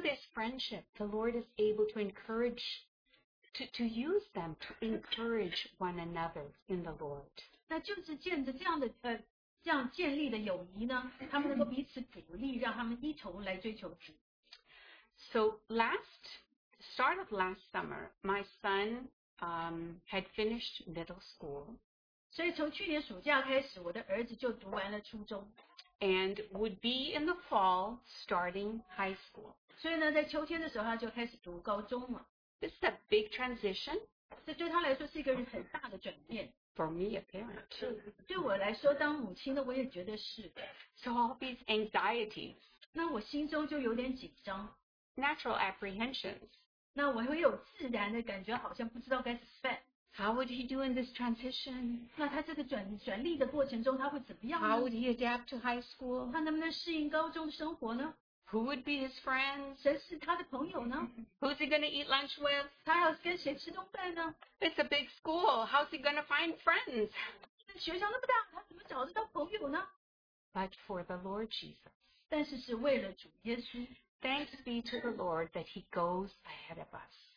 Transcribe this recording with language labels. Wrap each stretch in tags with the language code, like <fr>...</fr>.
<en>this friendship, the Lord is able to encourage to use them to encourage one another in the Lord.</en> <zh>那就是建着这样的这样建立的友谊呢，他们能够彼此鼓励，让他们一同来追求主。</zh> <en>So start of last summer, my son had finished middle school.</en> <zh>所以从去年暑假开始，我的儿子就读完了初中。</zh> <en>And would be in the fall starting high school.</en> <zh>所以呢，在秋天的时候，他就开始读高中了。</zh> <en>This is a big transition. For me, a parent, too.</en> <zh>对我来说，当母亲的，我也觉得是。</zh> <en>So all these anxieties.</en> <zh>那我心中就有点紧张。</zh> <en>Natural apprehensions.</en> <zh>那我会有自然的感觉，好像不知道该怎么办。</zh> <en>How would he do in this transition?</en> <zh>那他这个转立的过程中，他会怎么样呢？</zh> <en>How would he adapt to high school?</en> <zh>他能不能适应高中生活呢？</zh> <en>Who would be his friends?</en> <zh>谁是他的朋友呢?</zh> <en>Who's he going to eat lunch with?</en> <zh>他要跟谁吃东西呢?</zh> <en>It's a big school. How's he going to find friends?</en> <zh>学校那么大, 他怎么找得到朋友呢?</zh> <en>But for the Lord Jesus.</en> <zh>但是是为了主耶稣,</zh> <en>thanks be to the Lord that he goes ahead of us.</en>